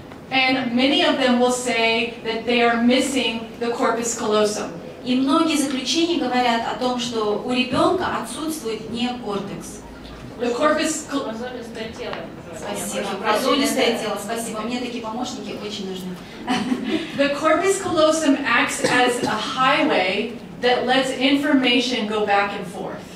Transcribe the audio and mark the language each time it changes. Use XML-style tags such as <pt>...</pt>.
<en>And many of them will say that they are missing the corpus callosum.</en> <ru>И многие заключения говорят о том, что у ребенка отсутствует неокортекс.</ru> <en>The corpus The corpus callosum acts as a highway that lets information go back and forth.</en>